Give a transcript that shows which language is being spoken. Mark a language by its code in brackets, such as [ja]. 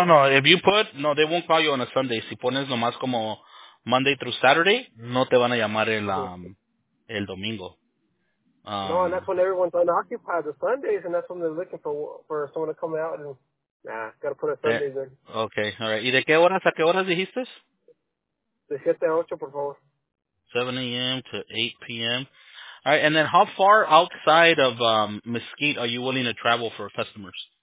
[en] If you put, no, they won't call you on a Sunday. [es] Si pones nomás como [en] Monday through Saturday, [es] no te van a llamar el domingo. [en] No, and that's when everyone's unoccupied, the Sundays, and that's when they're looking for someone to come out and, gotta put a Sunday there. Okay, all right. [es] ¿Y de qué horas a qué horas dijiste? De 7 a 8, por favor. [en] 7 a.m. to 8 p.m. All right, and then how far outside of Mesquite are you willing to travel for customers?